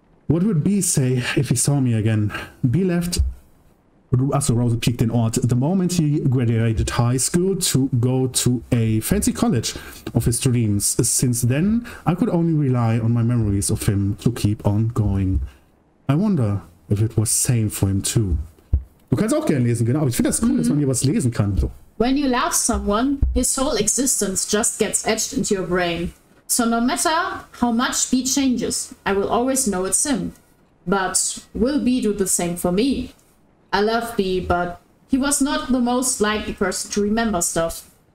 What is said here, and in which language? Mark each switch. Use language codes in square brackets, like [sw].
[en] What would B say if he saw me again? B left. Also, Rosa peaked in awe. The moment he graduated high school to go to a fancy college of his dreams. Since then, I could only rely on my memories of him to keep on going. I wonder if it was same for him too. [de] Du kannst auch gerne lesen, genau. Aber ich finde das cool, dass man hier was lesen kann. [en] So. When you love someone, his whole existence just gets etched into your brain. So no matter how much B changes, I will always know it's him. But will B do the same for me? I love B, but he was not the most likely person to remember stuff.